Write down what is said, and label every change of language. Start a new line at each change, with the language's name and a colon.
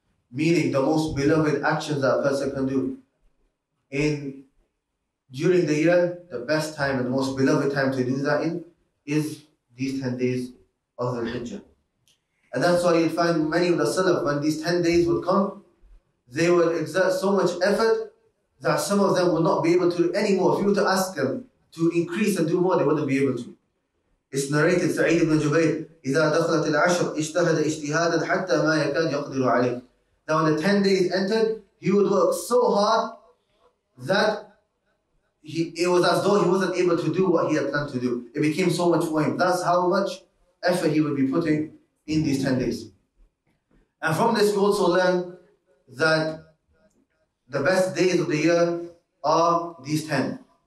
English: Meaning the most beloved actions that a person can do in during the year, the best time and the most beloved time to do that in is these 10 days of Dhul Hijjah. And that's why you'd find many of the Salaf, when these 10 days would come, they would exert so much effort that some of them would not be able to anymore. If you were to ask them to increase and do more, they wouldn't be able to. It's narrated Sa'id ibn Jubayr,
Arabic: إِذَا دَخْلَتِ الْعَشْرِ اِجْتَهَدَ اِجْتِهَادًا حَتَّى مَا يَكَادْ يَقْدِرُ عَلِيْهِ.
English: Now when the 10 days entered, he would work so hard that it was as though he wasn't able to do what he had planned to do. It became so much for him. That's how much effort he would be putting in these 10 days. And from this we also learn that the best days of the year are these 10.